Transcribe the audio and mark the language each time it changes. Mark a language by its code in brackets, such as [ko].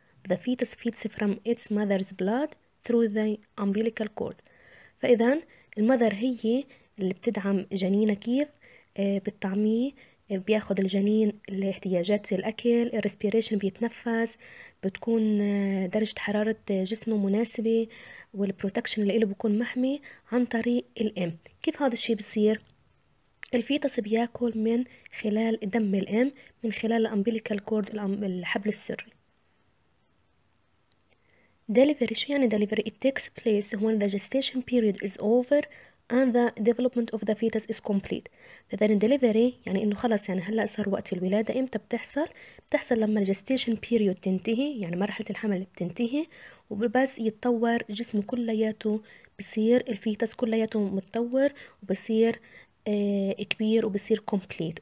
[en] the fetus feeds from its mother's blood through the umbilical cord. [ar] فإذا المذر هي اللي بتدعم جنينها كيف بالطعميه بياخد الجنين لاحتياجات الأكل الريسبيريشن بيتنفس بتكون درجة حرارة جسمه مناسبة والبروتكشن اللي له بكون محمي عن طريق الأم. كيف هذا الشيء بصير؟ الفيتس بياكل من خلال دم الأم من خلال الأمبيليكال كورد الحبل السري. [en] delivery [ar] شو يعني [en] delivery it takes place when the gestation period is over and the development of the fetus is complete. [ar] فذن delivery يعني إنه خلاص يعني هلا صار وقت الولادة. إمتى بتحصل؟ بتحصل لما gestation period تنتهي يعني مرحلة الحمل بتنتهي وبس يتطور جسمه كلياته بصير الفيتس كلياته متطور وبصير كبير وبصير كومبليت.